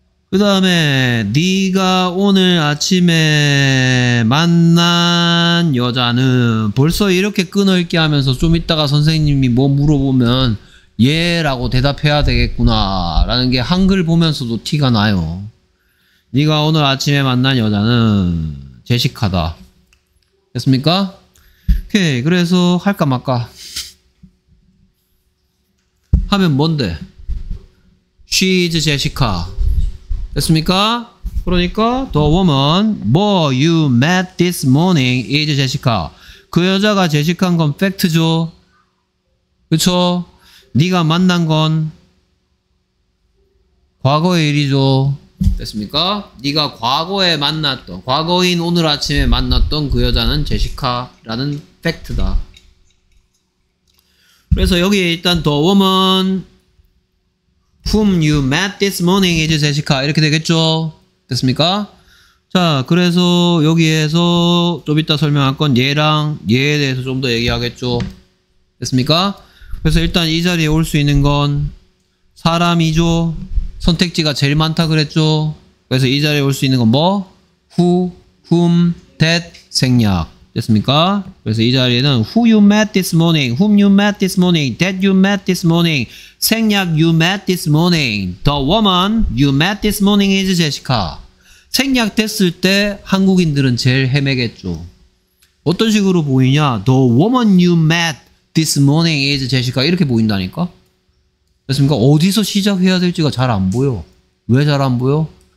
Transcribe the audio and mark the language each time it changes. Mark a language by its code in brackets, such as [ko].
[ko] 그 다음에 네가 오늘 아침에 만난 여자는, 벌써 이렇게 끊어읽기 하면서 좀 이따가 선생님이 뭐 물어보면 예 라고 대답해야 되겠구나 라는 게 한글 보면서도 티가 나요. 네가 오늘 아침에 만난 여자는 제시카다. 됐습니까? 오케이. 그래서 할까 말까 하면 뭔데? [en] She is Jessica. [ko] 됐습니까? 그러니까 [en] the woman who you met this morning is Jessica. [ko] 그 여자가 제시카인 건 팩트죠. 그쵸? 네가 만난 건 과거의 일이죠. 됐습니까? 네가 과거에 만났던, 과거인 오늘 아침에 만났던 그 여자는 제시카라는 팩트다. 그래서 여기에 일단 [en] the woman whom you met this morning is Jessica [ko] 이렇게 되겠죠. 됐습니까? 자, 그래서 여기에서 좀 이따 설명할 건 얘랑 얘에 대해서 좀 더 얘기하겠죠. 됐습니까? 그래서 일단 이 자리에 올 수 있는 건 사람이죠. 선택지가 제일 많다 그랬죠. 그래서 이 자리에 올 수 있는 건 뭐? [en] Who, whom, that, [ko] 생략. 됐습니까? 그래서 이 자리에는 [en] Who you met this morning, whom you met this morning, that you met this morning, 생략 you met this morning, the woman you met this morning is Jessica. [ko] 생략 됐을 때 한국인들은 제일 헤매겠죠. 어떤 식으로 보이냐? [en] The woman you met this morning is Jessica. [ko] 이렇게 보인다니까? 됐습니까? 어디서 시작해야 될지가 잘 안 보여. 왜 잘 안 보여?